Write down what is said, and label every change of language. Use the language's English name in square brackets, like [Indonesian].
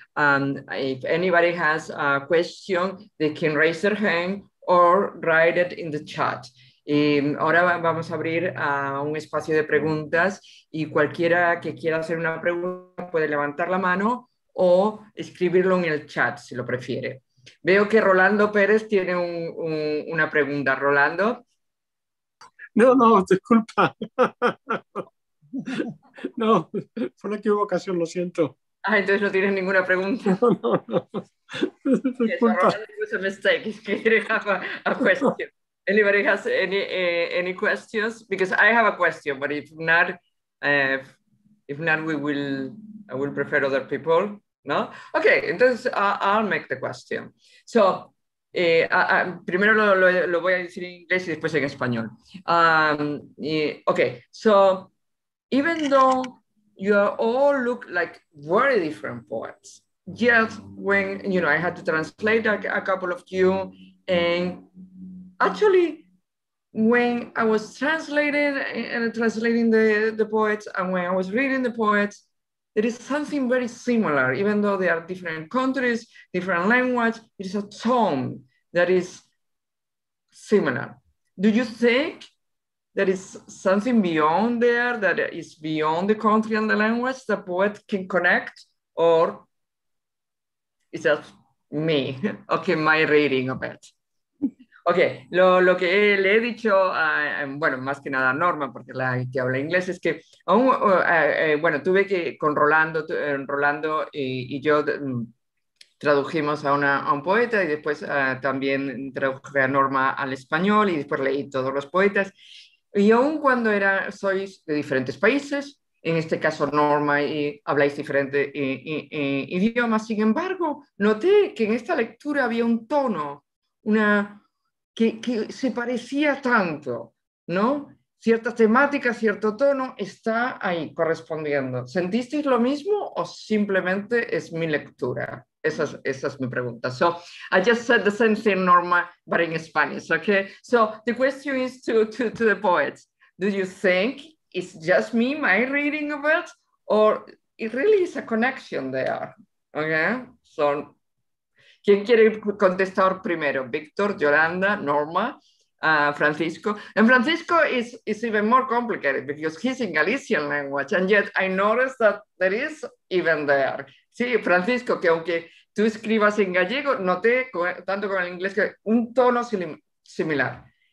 [English] If anybody has a question, they can raise their hand or write it in the chat. [Spanish] Y ahora vamos a abrir un espacio de preguntas y cualquiera que quiera hacer una pregunta puede levantar la mano o escribirlo en el chat si lo prefiere. Veo que Rolando Pérez tiene una pregunta. Rolando. No, disculpa. No, fue una equivocación, lo siento. Ah, entonces no tienes ninguna pregunta. No. [English] Anybody has any questions? Because I have a question, but if not, I will prefer other people. No. Okay. [Spanish] Entonces, [English] I'll make the question. [Spanish] So, primero lo voy a decir en inglés y después en español. [English] Okay. So, even though you all look like very different poets, yet when you know I had to translate a couple of you and. Actually, when I was translating the poets and when I was reading the poets, there is something very similar, even though they are different countries, different language, it is a tone that is similar. Do you think there is something beyond there, that is beyond the country and the language the poet can connect, or is that me? Okay, my reading of it. [Spanish] Ok, lo que le he dicho, bueno, más que nada a Norma, porque la que habla inglés, es que, tuve que, con Rolando, Rolando y yo tradujimos a un poeta y después también traduje a Norma al español y después leí todos los poetas. Y aun cuando sois de diferentes países, en este caso Norma y habláis diferente idioma, sin embargo, noté que en esta lectura había un tono, una... Que se parecía tanto, ¿no? Cierta temática, cierto tono está ahí correspondiendo. ¿Sentisteis lo mismo o simplemente es mi lectura? Esa es mi pregunta. [English] So, I just said the same thing, Norma, but in Spanish, okay? So, the question is to the poets. Do you think it's just me, my reading of it, or it really is a connection there, okay? So... [Spanish] ¿Quién quiere contestar primero? Víctor, Yolanda, Norma, Francisco. [English] And Francisco is even more complicated because he's in Galician language and yet I noticed that there is even there. [Spanish] Sí, Francisco, que aunque tú escribas en gallego, noté tanto con el inglés que un tono similar.